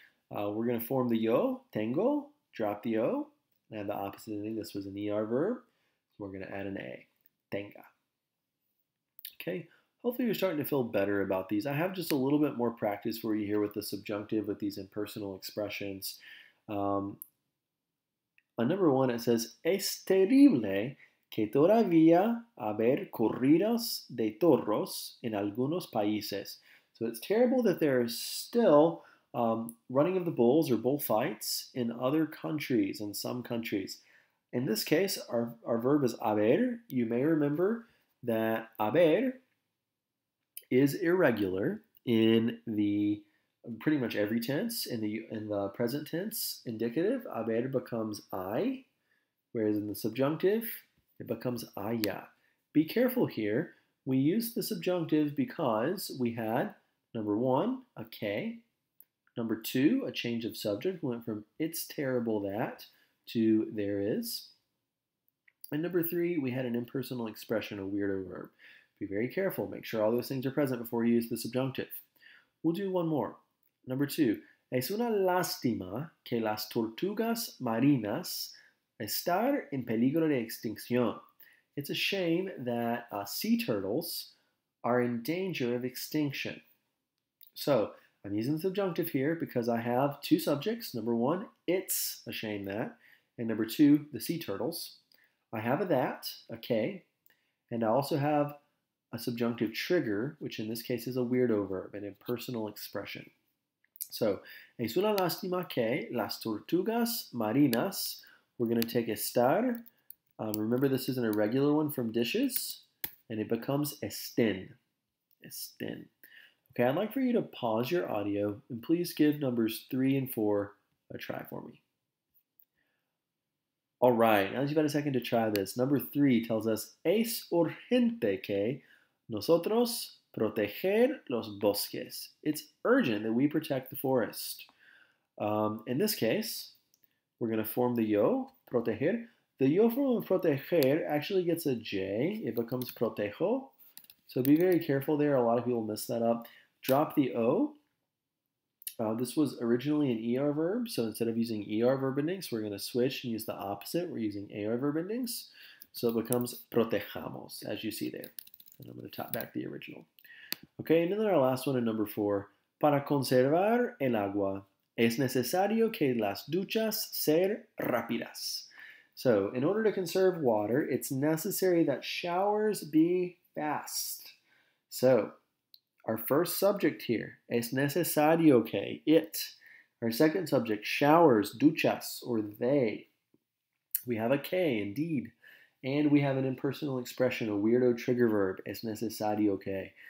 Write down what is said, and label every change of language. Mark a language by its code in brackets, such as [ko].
[en] We're going to form the yo, tengo, drop the o, and add the opposite ending. This was an ER verb. We're going to add an A, tenga. Okay, Hopefully you're starting to feel better about these. I have just a little bit more practice for you here with the subjunctive, with these impersonal expressions. Number one, it says, [es] es terrible que todavía haber corridas de toros en algunos países. [en] So it's terrible that there is still running of the bulls or bullfights in other countries, in some countries. In this case, our verb is haber. You may remember that haber is irregular in the pretty much every tense. In the present tense indicative, haber becomes I, whereas in the subjunctive, it becomes haya. Be careful here. We use the subjunctive because we had, number one, a K. Number two, a change of subject. We went from it's terrible that to there is. And number three, we had an impersonal expression, a weirdo verb. Be very careful. Make sure all those things are present before you use the subjunctive. We'll do one more. Number two, [es] es una lástima que las tortugas marinas estar en peligro de extinción. [en] It's a shame that sea turtles are in danger of extinction. So I'm using the subjunctive here because I have two subjects. Number one, it's a shame that. And number two, the sea turtles. I have a that, a K. And I also have a subjunctive trigger, which in this case is a weirdo verb, an impersonal expression. [es] So, es una lástima que las tortugas marinas. [en] We're going to take estar. Remember, this is an irregular one from dishes. And it becomes estén. Estén. Okay, I'd like for you to pause your audio and please give numbers 3 and 4 a try for me. All right, now that you've had a second to try this, number 3 tells us, [es] es urgente que nosotros proteger los bosques. [en] It's urgent that we protect the forest. In this case, we're going to form the yo, proteger. The yo form of proteger actually gets a J. It becomes protejo. So be very careful there. A lot of people mess that up. Drop the O. This was originally an ER verb, so instead of using ER verb endings, we're going to switch and use the opposite. We're using AR verb endings. So it becomes protejamos, as you see there. And I'm going to tap back the original. Okay, and then our last one in number 4. [es] Para conservar el agua, es necesario que las duchas ser rápidas. [en] So in order to conserve water, it's necessary that showers be fast. So our first subject here, [es] es necesario que, [en] it. Our second subject, showers, duchas, or they. We have a K, indeed. And we have an impersonal expression, a weirdo trigger verb, [es] es necesario que.